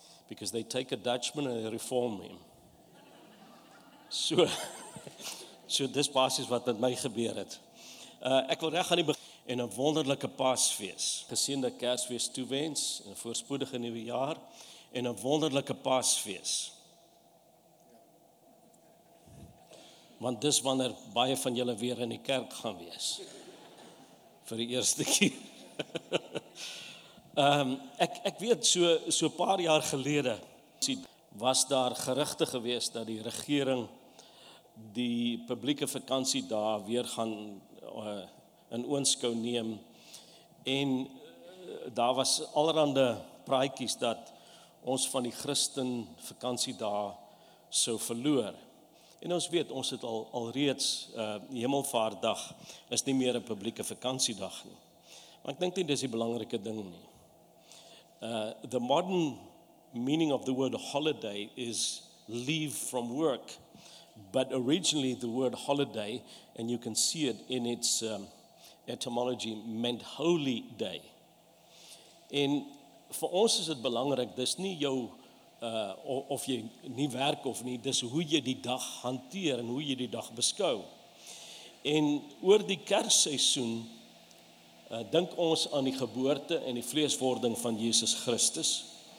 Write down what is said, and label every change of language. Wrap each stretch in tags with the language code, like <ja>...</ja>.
<en>Because they take a Dutchman and they reform him.</en> <af>So dis basis wat met my gebeur het. Ek wil reg aan die begin en 'n wonderlike Paasfees. Geseënde Kersfees toewens en 'n voorspoedige nuwe jaar en 'n wonderlike Paasfees. Want dis wanneer baie van julle weer in die kerk gaan wees. Vir die eerste keer. Ek weet, so paar jaar gelede was daar gerugte gewees dat die regering die publieke vakansie daar weer gaan in oënskou neem, en daar was allerhande praatjies dat ons van die Christen vakansie daar sou verloor. En ons weet, ons het alreeds Hemelvaartdag is nie meer 'n publieke vakansiedag nie. Maar ek dink nie dis die belangrike ding nie.</af> <en>The modern meaning of the word holiday is leave from work, but originally the word holiday, and you can see it in its etymology, meant holy day.</en> <af>En vir ons is dit belangrik, dis nie jou, of jy nie werk of nie, dis hoe jy die dag hanteer en hoe jy die dag beskou. En oor die kersseisoen, dink ons aan die geboorte en die vleeswording van Jesus Christus.</af>